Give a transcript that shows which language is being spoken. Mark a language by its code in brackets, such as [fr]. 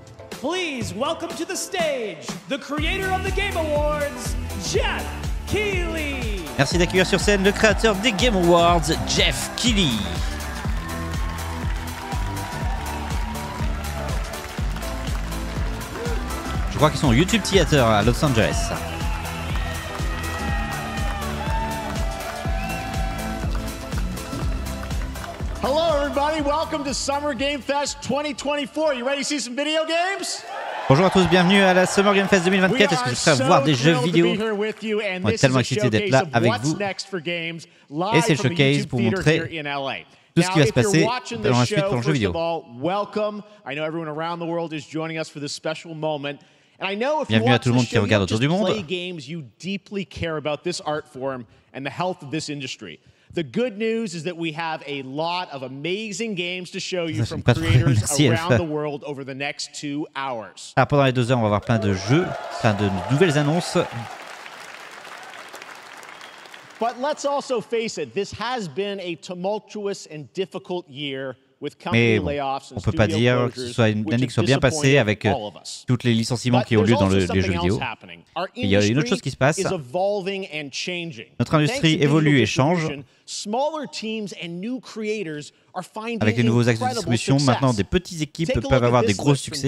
[en] Please welcome to the stage the creator of the Game Awards, Jeff Keighley. [fr] Merci d'accueillir sur scène le créateur des Game Awards, Jeff Keighley. Je crois qu'ils sont au YouTube Theater à Los Angeles. [en] Hello everybody, welcome to Summer Game Fest 2024. You ready to see some video games? [fr] Bonjour à tous, bienvenue à la Summer Game Fest 2024. Est-ce que vous êtes prêts à voir des jeux vidéo? On est tellement excités d'être là avec vous. Et c'est le showcase pour montrer tout ce qui va se passer dans la suite pour le jeu vidéo. Bienvenue à tout le monde qui regarde autour du monde. [en] You deeply care about this art form and the health of this industry. The good news is that we have a lot of amazing games to show you from creators around the world over the next 2 hours. [fr] Alors pendant les 2 heures, on va avoir plein de jeux, plein de nouvelles annonces. [en] But let's also face it, this has been a tumultuous and difficult year with company layoffs and studio closures. [fr] Mais on peut pas dire que ce soit une année qui soit bien passée avec toutes les licenciements qui ont lieu dans les jeux vidéo. Il y a une autre chose qui se passe. Notre industrie évolue et change. [en] Smaller teams and new creators are finding [fr] avec les nouveaux axes de distribution, maintenant des petites équipes peuvent avoir des gros succès.